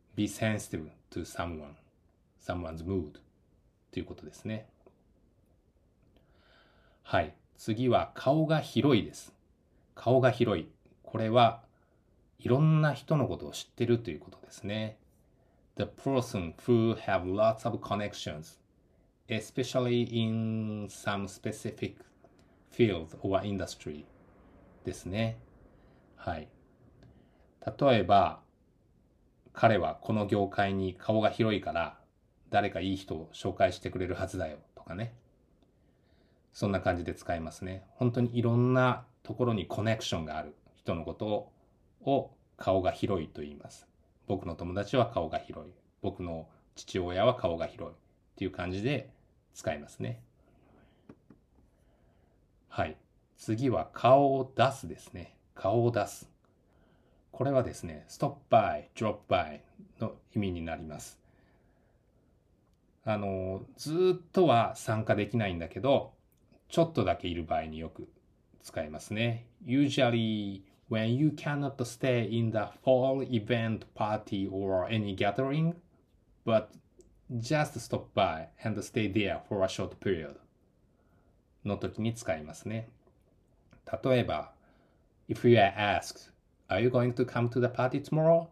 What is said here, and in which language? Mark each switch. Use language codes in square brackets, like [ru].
[en] Be sensitive to someone's mood [ja] ということですね。はい、次は顔が広いです。顔が広い、これはいろんな人のことを知ってるということですね。 [en] The person who have lots of connections especially in some specific field or industry [ja] ですね。はい、例えば彼はこの業界に顔が広いから誰かいい人を紹介してくれるはずだよとかね、そんな感じで使いますね。本当にいろんなところにコネクションがある人のことを顔が広いと言います。僕の友達は顔が広い、僕の父親は顔が広いっていう感じで使いますね。はい、次は顔を出すですね。顔を出す、これはですね、ストップバイ、ドロップバイの意味になります。ずっとは参加できないんだけど、ちょっとだけいる場合によく使いますね。 [en] Usually when you cannot stay in the fall event party or any gathering but just stop by and stay there for a short period [ja] の時に使いますね。例えば、 [en] If you are asked, Are you going to come to the party tomorrow?